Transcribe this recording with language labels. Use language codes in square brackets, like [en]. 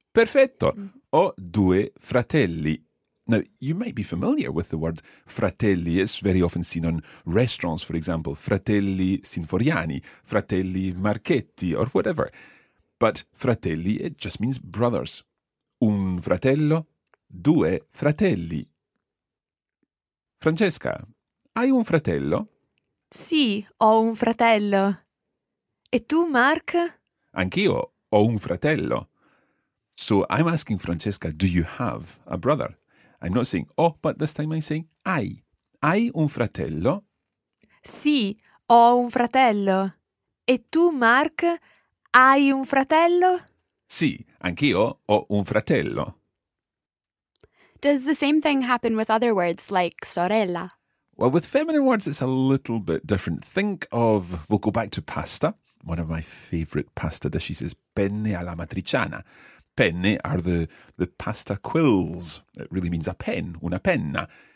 [it] Perfetto. Ho 2 fratelli. [en] Now, you might be familiar with the word fratelli. It's very often seen on restaurants, for example, Fratelli Sinforiani, Fratelli Marchetti, or whatever. But fratelli, it just means brothers. [it] Un fratello, due fratelli. Francesca, hai un fratello? Sì, ho un fratello. E tu, Mark? Anch'io ho un fratello. [en] So I'm asking Francesca, do you have a brother? I'm not saying ho, but this time I'm saying hai. [it] Hai un fratello? Sì, ho un fratello. E tu, Mark, hai un fratello? Sì, anch'io ho un fratello. [en] Does the same thing happen with other words like sorella? Well, with feminine words, it's a little bit different. Think of, we'll go back to pasta. One of my favourite pasta dishes is penne alla matriciana. Penne are the pasta quills. It really means a pen, [it] una penna.